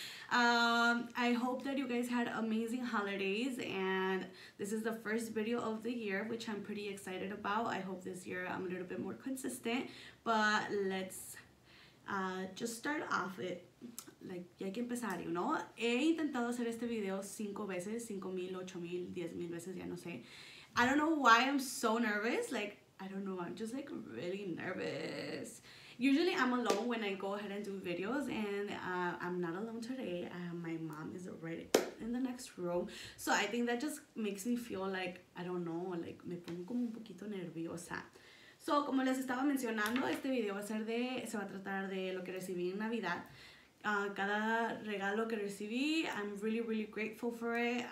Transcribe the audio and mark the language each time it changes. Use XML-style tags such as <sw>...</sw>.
<en>I hope that you guys had amazing holidays, and this is the first video of the year, which I'm pretty excited about. I hope this year I'm a little bit more consistent, but let's just start off it.</en> <es>Like, ya hay que empezar,</es> <en>you know?</en> <es>He intentado hacer este video 5 veces, 5,000, 8,000, 10,000 veces, ya no sé.</es> <en>I don't know why I'm so nervous. Like, I don't know, I'm just like really nervous. Usually I'm alone when I go ahead and do videos, and I'm not alone today. My mom is right in the next room. So I think that just makes me feel like, I don't know, like</en> <es>me pongo como un poquito nerviosa. So como les estaba mencionando, este video se va a tratar de lo que recibí en Navidad. Cada regalo que recibí,</es> <en>I'm really, really grateful for it.</en>